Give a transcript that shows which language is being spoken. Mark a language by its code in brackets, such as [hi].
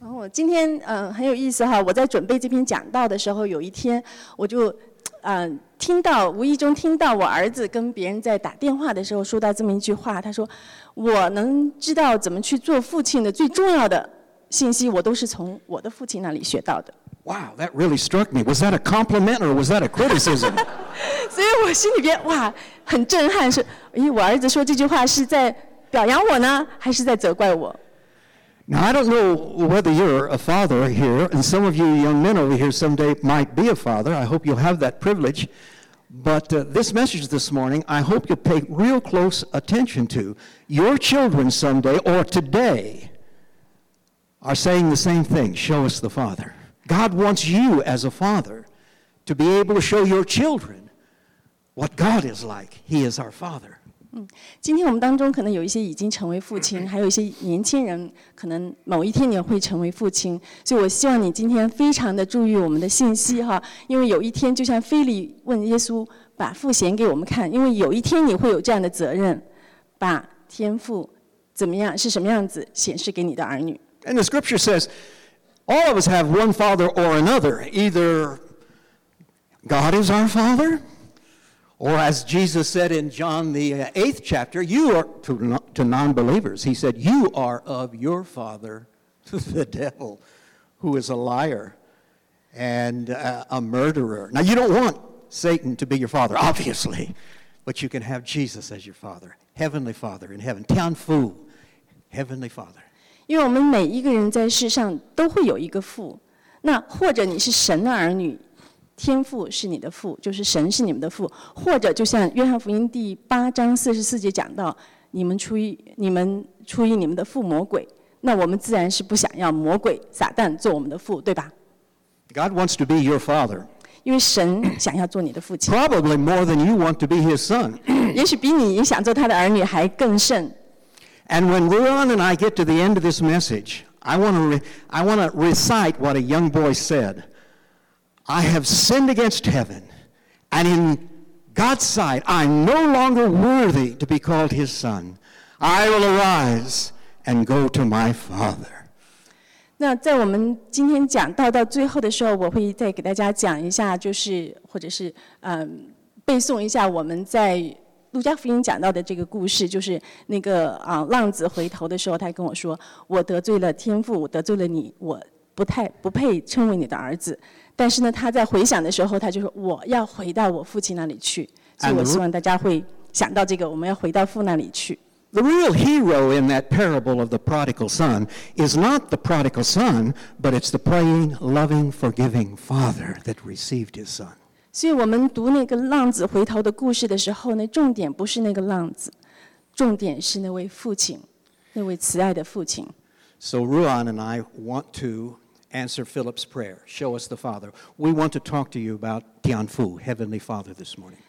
[zh] 今天很有意思哈，我在准备这篇讲道的时候，有一天我就听到，无意中听到我儿子跟别人在打电话的时候说到这么一句话，他说，我能知道怎么去做父亲的最重要的信息，我都是从我的父亲那里学到的。 [en] Wow, that really struck me. Was that a compliment or was that a criticism? [zh] 所以我心里边哇很震撼，是咦，我儿子说这句话是在表扬我呢，还是在责怪我？ [en] Now I don't know whether you're a father here, and some of you young men over here someday might be a father. I hope you'll have that privilege. But this message this morning, I hope you'll pay real close attention to your children someday or today. Are saying the same thing. Show us the Father. God wants you as a father to be able to show your children what God is like. He is our father. [zh] 今天我们当中可能有一些已经成为父亲，还有一些年轻人可能某一天也会成为父亲，所以我希望你今天非常的注意我们的信息哈，因为有一天就像腓力问耶稣把父显给我们看，因为有一天你会有这样的责任，把天父怎么样是什么样子显示给你的儿女。 [en] And the scripture says,All of us have one father or another. Either God is our father, or as Jesus said in John the 8th chapter, you are, to non-believers, he said, you are of your father, the devil, who is a liar and a murderer. Now, you don't want Satan to be your father, obviously, but you can have Jesus as your father, heavenly father in heaven, Tian Fu, heavenly father. [zh] 因为我们每一个人在世上都会有一个父，那或者你是神的儿女，天父是你的父，就是神是你们的父，或者就像约翰福音第八章四十四节讲到，你们出于你们的父魔鬼，那我们自然是不想要魔鬼撒旦做我们的父，对吧？ [en] God wants to be your father. [zh] 因为神想要做你的父亲。 [en] Probably more than you want to be his son. [zh] 也许比你想做他的儿女还更甚。 [en] And when Leon and I get to the end of this message, I want to recite what a young boy said. I have sinned against heaven, and in God's sight, I'm no longer worthy to be called his son. I will arise and go to my father. [zh] 那在我们今天讲到最后的时候，我会再给大家讲一下，就是或者是背诵一下我们在路加福音讲到的这个故事，就是那个浪子回头的时候，他跟我说：“我得罪了天父，我得罪了你，我不配称为你的儿子。” 但是呢，他在回想的时候，他就说：“我要回到我父亲那里去。” 所以我希望大家会想到这个，我们要回到父那里去。 [en] The real hero in that parable of the prodigal son is not the prodigal son, but it's the praying, loving, forgiving father that received his son. [zh] 所以我们读那个浪子回头的故事的时候呢，重点不是那个浪子，重点是那位父亲，那位慈爱的父亲。 [en] So Ruan and I want to answer Philip's prayer, show us the Father. We want to talk to you about Tian Fu, Heavenly Father, this morning.